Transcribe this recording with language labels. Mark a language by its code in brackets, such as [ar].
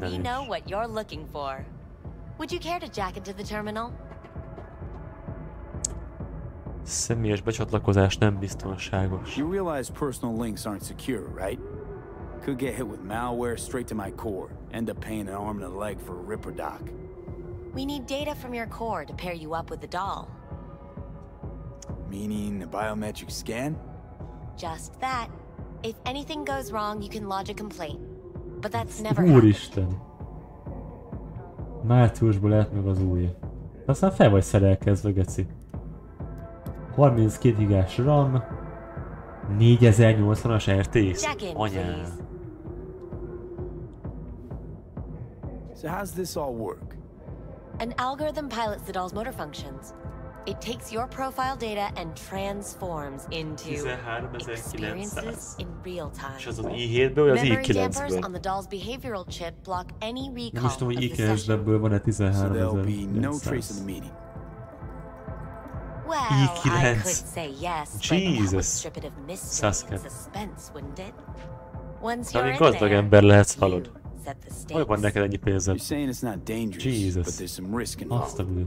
[en] Where we know what you're looking for. Would you care to jack into the terminal? [hu] Személyes becsatlakozás nem biztonságos. [en] You realize personal links aren't secure, right? Could get hit with malware straight to my core. End up paying an arm and a leg for a Ripper Doc. We need data from your core to pair you up with the doll. Meaning a biometric scan? Just that. If anything goes wrong, you can lodge a complaint. But that's never happened. [hu] Úristen. Márciusban lehet meg az új. Aztán fel vagy szerelkezve, geci. 32 gigás RAM, 4080-as RTX, anyám. [en] So how's this all work? An algorithm pilots the doll's motor functions. It takes your profile data and transforms into experiences in real time. Memory dampers on the doll's behavioral chip block any recall. [hu] Nem is tudom, hogy E9-ből van-e 13900. [en] Well, I could say yes, Jesus. But that would strip it of mystery Sasuke. And suspense, wouldn't it? Once you're in there, you set the stakes. You're saying it's not dangerous, Jesus. But there's some risk involved.